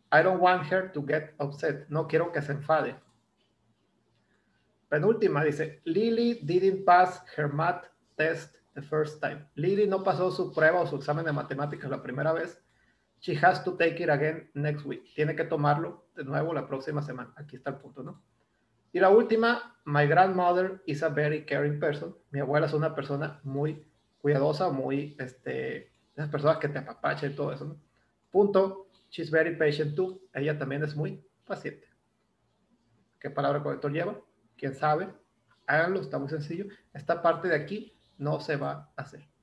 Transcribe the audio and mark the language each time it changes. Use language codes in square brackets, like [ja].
[en] I don't want her to get upset. [es] No quiero que se enfade. Penúltima dice, [en] Lily didn't pass her math test the first time. [es] Lily no pasó su prueba o su examen de matemáticas la primera vez. [en] She has to take it again next week. [es] Tiene que tomarlo de nuevo la próxima semana. Aquí está el punto, ¿no? Y la última, [en] my grandmother is a very caring person. [es] Mi abuela es una persona muy cuidadosa, muy, esas personas que te apapacha y todo eso, ¿no? Punto. [en] She's very patient too. [es] Ella también es muy paciente. ¿Qué palabra conector lleva? ¿Quién sabe? Háganlo, está muy sencillo. Esta parte de aquí no se va a hacer.